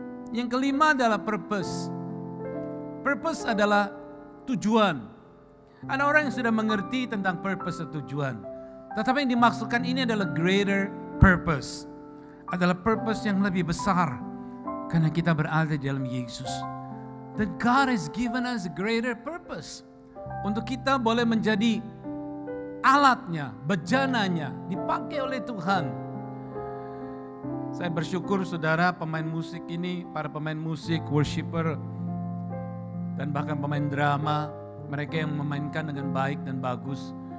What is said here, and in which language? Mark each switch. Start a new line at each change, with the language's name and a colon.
Indonesian: Yang kelima adalah purpose. Purpose adalah tujuan. Ada orang yang sudah mengerti tentang purpose atau tujuan. Tetapi yang dimaksudkan ini adalah greater purpose. Adalah purpose yang lebih besar. Karena kita berada di dalam Yesus.
English: That God has given us a greater purpose.
Indonesian: Untuk kita boleh menjadi alatnya, bejananya, dipakai oleh Tuhan. Saya bersyukur saudara, pemain musik ini, para pemain musik, worshiper, dan bahkan pemain drama, mereka yang memainkan dengan baik dan bagus.